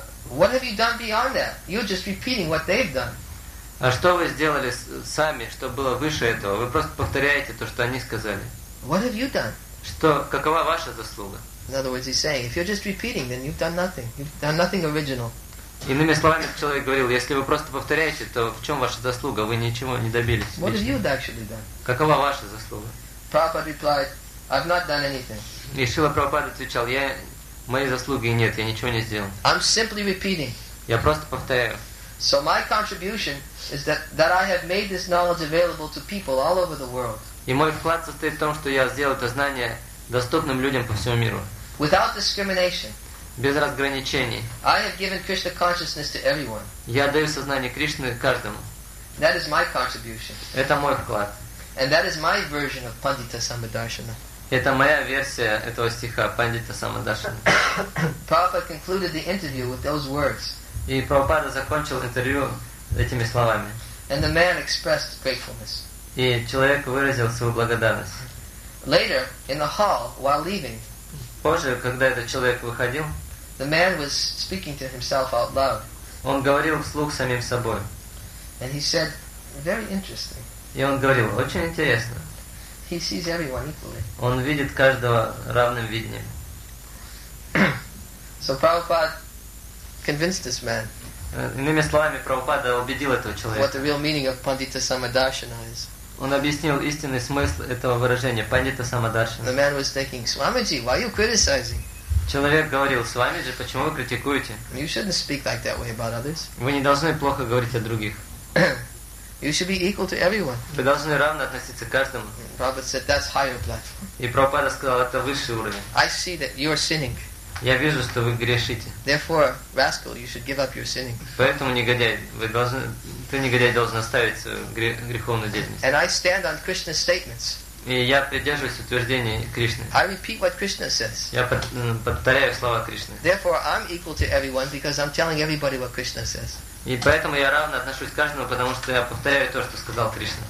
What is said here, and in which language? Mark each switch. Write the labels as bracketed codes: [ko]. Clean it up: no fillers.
[en] what have you done beyond that? You're just repeating what they've done. [ru] А что вы сделали сами, что было выше этого? Вы просто повторяете то, что они сказали. [en] What have you done? [ru] Что, какова ваша заслуга? [en] In other words, he's saying, if you're just repeating, then you've done nothing. You've done nothing original. [ru] Иными словами, человек говорил, если вы просто повторяете, то в чем ваша заслуга? Вы ничего не добились. [en] What have you actually done? [ru] Какова ваша заслуга? [en] Prabhupada replied, I've not done anything. [ru] И Шрила Прабхупада отвечал, моей заслуги нет, я ничего не сделал. [en] I'm simply repeating. [ru] Я просто повторяю. [en] So my contribution is that I have made this knowledge available to people all over the world. [ru] И мой вклад состоит в том, что я сделал это знание доступным людям по всему миру. [en] Without discrimination. [ru] Без разграничений. [en] I have given Krishna consciousness to everyone. [ru] Я даю сознание Кришны каждому. [en] That is my contribution. [ru] Это мой вклад. [en] And that is my version of Pandita Samadarshana. [ru] Это моя версия этого стиха Пандита Самадарсана. [en] Prabhupada concluded the interview with those words. [ru] И Прабхупада закончил интервью этими словами. [en] And the man expressed gratefulness. [ru] И человек выразил свою благодарность. [en] Later, in the hall, while leaving. [ru] Позже, когда этот человек выходил, [en] the man was speaking to himself out loud. [ru] Он говорил вслух самим собой. [en] And he said, very interesting. [ru] И он говорил, очень интересно. [en] He sees everyone equally. [ru] Он видит каждого равным видением. [en] So Prabhupada convinced this man. [ru] Иными словами, Прабхупада убедил этого человека. [en] What the real meaning of Pandita Samadarshana is. [ru] Он объяснил истинный смысл этого выражения Пандита Самадарсана. [en] The man was thinking, Swamiji, why are you criticizing? [ru] Человек говорил, Свамиджи, почему вы критикуете? [en] You shouldn't speak like that way about others. [ru] Вы не должны плохо говорить о других. [en] You should be equal to everyone. [ru] Вы должны равно относиться к каждому. [en] Prabhupada said, that's higher platform. [ru] И Прабхупада сказал, это высший уровень. [en] I see that you are sinning. [ru] Я вижу, что вы грешите. [en] Therefore, rascal, you should give up your sinning. [ru] Поэтому, ты, негодяй, должен оставить свою греховную деятельность. [en] And I stand on Krishna's statements. [ru] И я придерживаюсь утверждений Кришны. [en] I repeat what Krishna says. [ru] Я повторяю слова Кришны. [en] Therefore, I'm equal to everyone because I'm telling everybody what Krishna says. [ru] И поэтому я равно отношусь к каждому, потому что я повторяю то, что сказал Кришна.